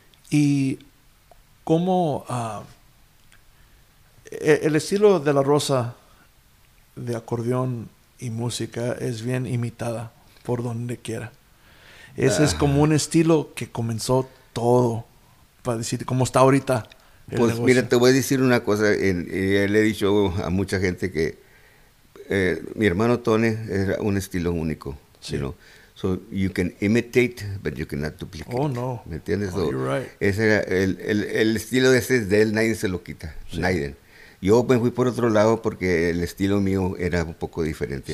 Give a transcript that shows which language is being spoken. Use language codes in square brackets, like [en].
[es] ¿Y cómo el estilo de La Rosa de acordeón y música es bien imitada por donde quiera? Ese es como un estilo que comenzó todo, para decir cómo está ahorita. Pues mira, te voy a decir una cosa, le he dicho a mucha gente que mi hermano Tony era un estilo único, sí. [en] you know? So you can imitate, but you cannot duplicate. Oh no. [es] ¿Me entiendes? [en] Oh, so, you're right. [es] Ese era el estilo de ese es de él, nadie se lo quita, sí. nadie. Yo me fui por otro lado porque el estilo mío era un poco diferente